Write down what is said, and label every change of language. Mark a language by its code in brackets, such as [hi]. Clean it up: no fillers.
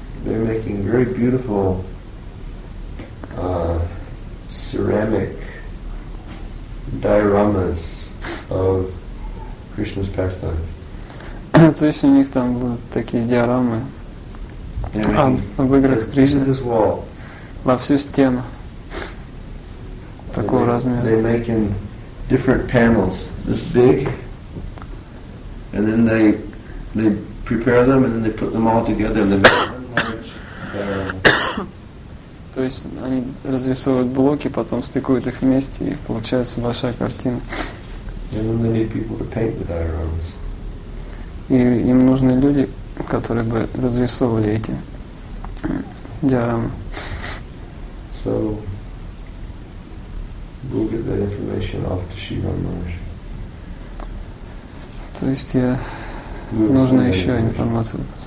[en] They're making very beautiful ceramic dioramas of Krishna's pastime. [ru] То есть у них там будут такие диорамы об играх Кришны во всю стену. Такого размера. [en] They make in different panels, this big, and then they prepare them and then they put them all together and they make one large. [ru] То есть они разрисовывают блоки, потом стыкуют их вместе и получается большая картина. [en] And then they need people to paint the dioramas. [ru] И им нужны люди, которые бы разрисовывали эти диорамы. [en] So. We'll get that information off to Shivram Maharaj. [ru] То есть я нужна еще информация.